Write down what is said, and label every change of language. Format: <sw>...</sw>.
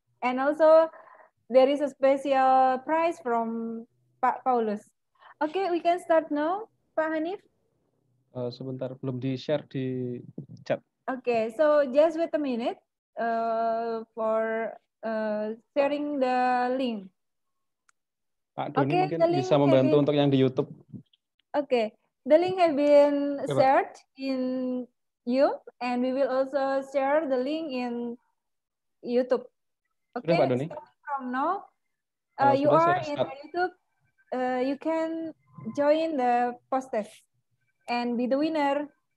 <en>And also there is a special prize from Pak Paulus. Okay, we can start now, Pak Hanif.</en> <id>Sebentar, belum di share di chat.</id> <en>Okay, so just wait a minute for sharing the link.</en> <id>Pak Doni, okay, mungkin bisa membantu untuk yang di YouTube.</id> <en>Okay, The link has been shared in YouTube, and we will also share the link in YouTube.</en> <id>Okay, sudah, Pak Doni.</id> <en>From now, you are in YouTube. You can join the post test and be the winner.</en>